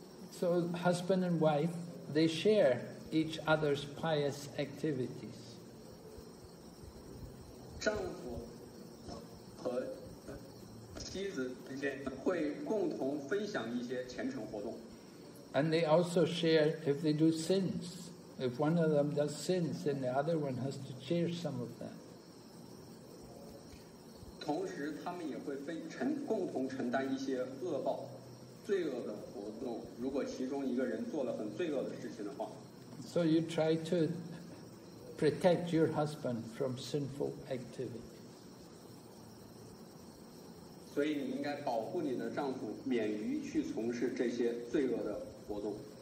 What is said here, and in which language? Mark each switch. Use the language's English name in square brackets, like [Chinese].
[English] So husband and wife, they share. Each other's pious activities. [Chinese] 丈夫和妻子之间会共同分享一些虔诚活动。 [English] And they also share if they do sins. If one of them does sins, then the other one has to share some of that. [Chinese] 同时，他们也会共同承担一些恶报、罪恶的活动。如果其中一个人做了很罪恶的事情的话。 [English] So you try to protect your husband from sinful activity. [Chinese] 所以你应该保护你的丈夫免于去从事这些罪恶的活动。